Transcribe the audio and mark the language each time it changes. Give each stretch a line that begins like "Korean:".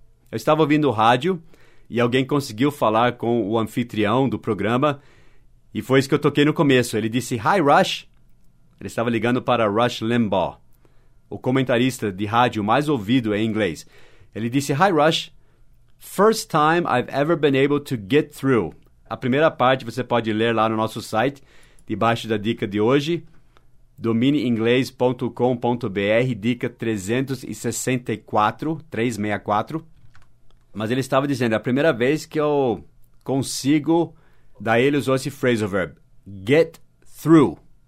Portuguese: Eu estava ouvindo o rádio e alguém conseguiu falar com o anfitrião do programa e foi isso que eu toquei no começo. Ele disse,
English: "Hi, Rush."
Portuguese: Ele estava ligando para Rush Limbaugh, o comentarista de rádio mais ouvido em inglês. Ele disse,
English: "Hi, Rush. First time I've ever been able to get through."
Portuguese: A primeira parte você pode ler lá no nosso site, debaixo da dica de hoje, dominiinglês.com.br, dica 364. Mas ele estava dizendo, é a primeira vez que eu consigo, daí ele usou esse phrasal verb, get through.